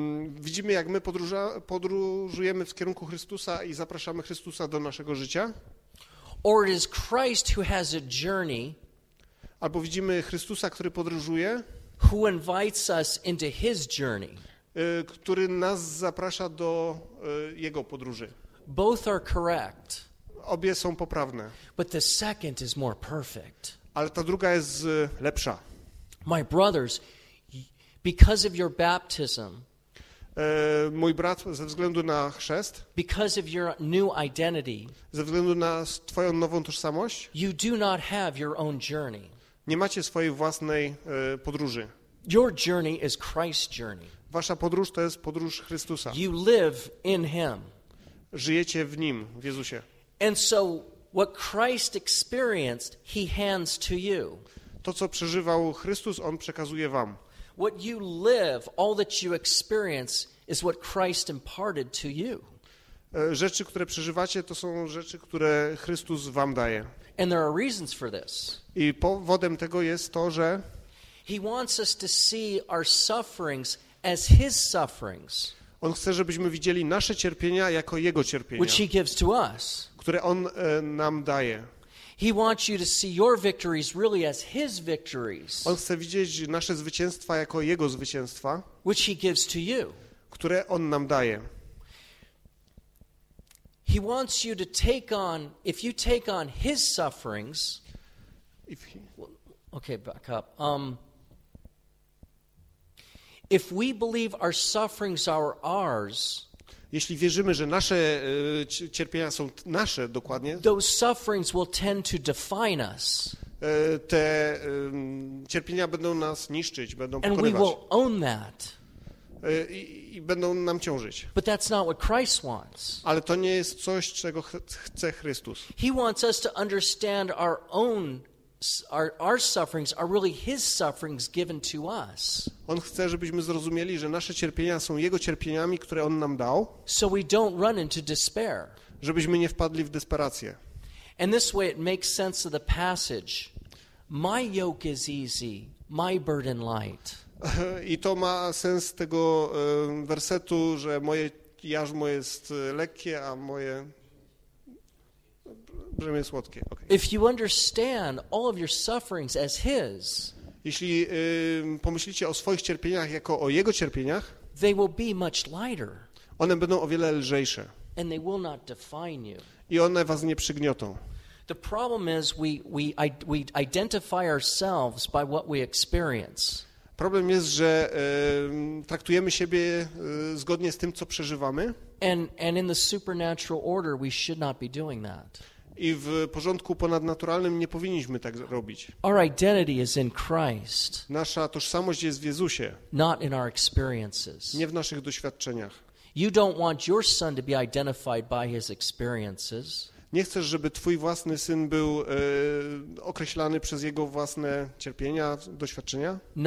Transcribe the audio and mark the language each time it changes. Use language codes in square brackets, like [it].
[pl] Widzimy, jak my podróżujemy w kierunku Chrystusa i zapraszamy Chrystusa do naszego życia. [en] Or it is Christ who has a journey. [pl] Albo widzimy Chrystusa, który podróżuje. [en] Who invites us into his journey. [pl] Który nas zaprasza do jego podróży. [en] Both are correct. [pl] obie są poprawne. [en] But the second is more perfect. [pl] Ale ta druga jest lepsza. [en] My brothers, because of your baptism, [pl] mój brat, ze względu na chrzest, [en] because of your new identity, [pl] ze względu na twoją nową tożsamość, [en] you do not have your own journey. [pl] Nie macie swojej własnej podróży. [en] Your journey is Christ's journey. [pl] Wasza podróż to jest podróż Chrystusa. [en] You live in him. [pl] Żyjecie w nim, w Jezusie. [en] And so what Christ experienced, he hands to you. [pl] To, co przeżywał Chrystus, on przekazuje wam. [en] What you live, all that you experience is what Christ imparted to you. [pl] Rzeczy, które przeżywacie, to są rzeczy, które Chrystus wam daje. [en] And there are reasons for this. [pl] I powodem tego jest to, że [en] he wants us to see our sufferings as his sufferings. [pl] On chce, żebyśmy widzieli nasze cierpienia jako jego cierpienia, [en] which he gives to us. [pl] Które on nam daje. [en] He wants you to see your victories really as his victories. [pl] On chce widzieć nasze zwycięstwa jako jego zwycięstwa, [en] which he gives to you. [pl] Które on nam daje. [en] He wants you to take on, if you take on his sufferings, if he, okay, back up. If we believe our sufferings are ours, [pl] jeśli wierzymy, że nasze cierpienia są nasze dokładnie, [en] those sufferings will tend to define us. [pl] Te cierpienia będą nas niszczyć, będą pokonywać. [en] And we will own that. [pl] I będą nam ciążyć. [en] But that's not what Christ wants. [pl] Ale to nie jest coś, czego chce Chrystus. [en] He wants us to understand our own our sufferings are really his sufferings given to us. [pl] On chce, żebyśmy zrozumieli, że nasze cierpienia są jego cierpieniami, które on nam dał. [en] So we don't run into despair. [pl] Żebyśmy nie wpadli w desperację. [en] And this way it makes sense of the passage. My yoke is easy, my burden light. [pl] I to ma sens tego wersetu, że moje jarzmo jest lekkie, a moje brzemię słodkie. [en] Okay. If you understand all of your sufferings as his, [pl] jeśli pomyślicie o swoich cierpieniach jako o jego cierpieniach, [en] they will be much lighter. [pl] One będą o wiele lżejsze. [en] And they will not define you. [pl] I one was nie przygniotą. [en] The problem is we identify ourselves by what we experience. [pl] Problem jest, że traktujemy siebie zgodnie z tym, co przeżywamy. [en] And in the supernatural order we should not be doing that. [pl] I w porządku ponadnaturalnym nie powinniśmy tak robić. [en] Our identity is in Christ. [pl] Nasza tożsamość jest w Jezusie. [en] Not in our experiences. [pl] Nie w naszych doświadczeniach. [en] You don't want your son to be identified by his experiences. [pl] Nie chcesz, żeby twój własny syn był określany przez jego własne cierpienia, doświadczenia?